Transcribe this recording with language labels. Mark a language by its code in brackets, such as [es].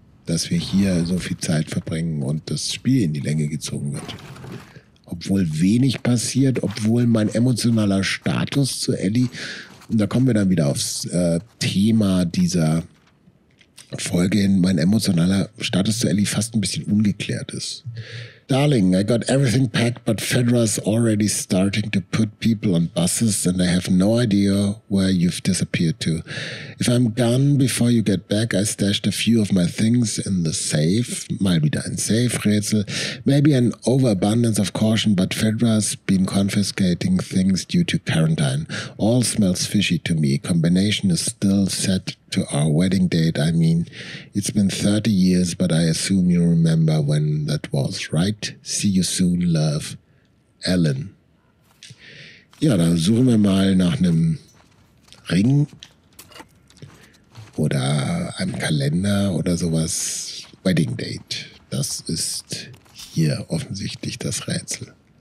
[de] Dass wir hier so viel Zeit verbringen und das Spiel in die Länge gezogen wird. Obwohl wenig passiert, obwohl mein emotionaler Status zu Ellie, und da kommen wir dann wieder aufs Thema dieser Folge hin, mein emotionaler Status zu Ellie fast ein bisschen ungeklärt ist. [en] Darling, I got everything packed, but Fedra's already starting to put people on buses and I have no idea where you've disappeared to. If I'm gone before you get back, I stashed a few of my things in the safe. [de] Mal wieder ein Safe-Rätsel. [en] Maybe an overabundance of caution, but Fedra's been confiscating things due to quarantine. All smells fishy to me. Combination is still set to our wedding date. I mean, it's been 30 years, but I assume you remember when that was, right? See you soon, love, Ellen. [de] Ja, dann suchen wir mal nach einem Ring oder einem Kalender oder sowas. [en] Wedding date. [de] Das ist hier offensichtlich das Rätsel.